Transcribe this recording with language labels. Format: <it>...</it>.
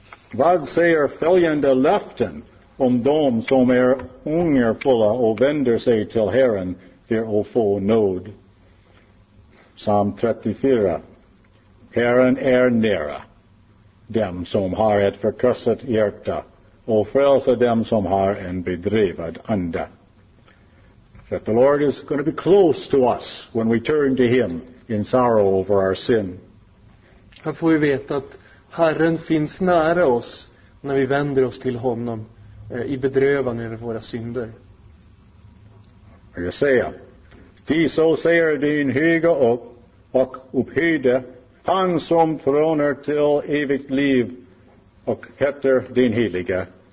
<sv>Vad säger följande löften om dem som är ungerfulla och vänder sig till Herren för att få nåd? Psalm 34. Herren är nära dem som har ett förkrossat hjärta och frälsa dem som har en bedrivad ande.</sv> <en>That the Lord is going to be close to us when we turn to him in sorrow over our sin.</en> <sv>Här får vi veta att Herren finns nära oss när vi vänder oss till honom i bedrövan över våra synder. Jesaja. Ty så säger din höga och upphöjde, han som tronar till evigt liv och heter din heliga.</sv>